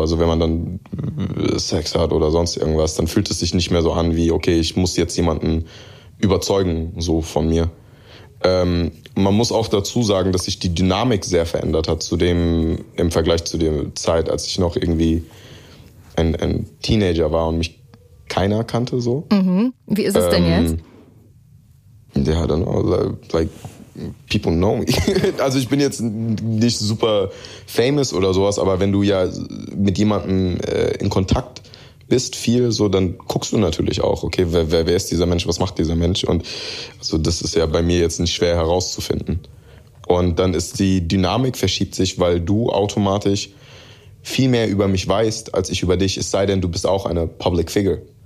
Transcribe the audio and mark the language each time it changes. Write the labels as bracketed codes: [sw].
[de] Also wenn man dann Sex hat oder sonst irgendwas, dann fühlt es sich nicht mehr so an wie, okay, ich muss jetzt jemanden überzeugen so von mir. Man muss auch dazu sagen, dass sich die Dynamik sehr verändert hat zu dem, im Vergleich zu der Zeit, als ich noch irgendwie ein Teenager war und mich keiner kannte, so. Mhm. Wie ist es denn jetzt? Ja, dann, [en] like, people know me. [de] Also, ich bin jetzt nicht super famous oder sowas, aber wenn du ja mit jemandem in Kontakt bist viel so, dann guckst du natürlich auch, okay, wer ist dieser Mensch, was macht dieser Mensch, und also das ist ja bei mir jetzt nicht schwer herauszufinden. Und dann ist die Dynamik verschiebt sich, weil du automatisch viel mehr über mich weißt, als ich über dich, es sei denn, du bist auch eine Public Figure.